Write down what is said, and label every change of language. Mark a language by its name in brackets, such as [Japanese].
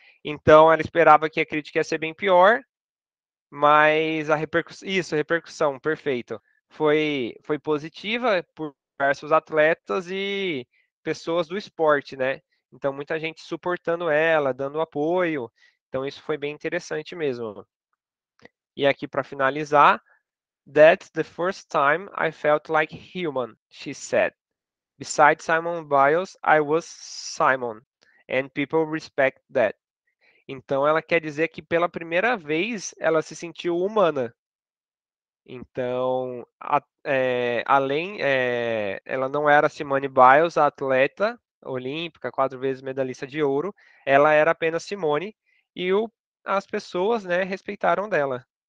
[Portuguese] Então ela esperava que a crítica ia ser bem pior, mas a repercussão, isso, repercussão, perfeito, foi positiva por diversos atletas e pessoas do esporte, né? Então, muita gente suportando ela, dando apoio. Então, isso foi bem interessante mesmo. E aqui, para finalizar, [English] That's the first time I felt like human, she said. Besides Simon Biles, I was Simon. And people respect that. [Portuguese] Então, ela quer dizer que pela primeira vez ela se sentiu humana. Então, além, ela não era Simone Biles, a atleta olímpica, 4 vezes medalhista de ouro, ela era apenas Simone, e as pessoas, né, respeitaram dela.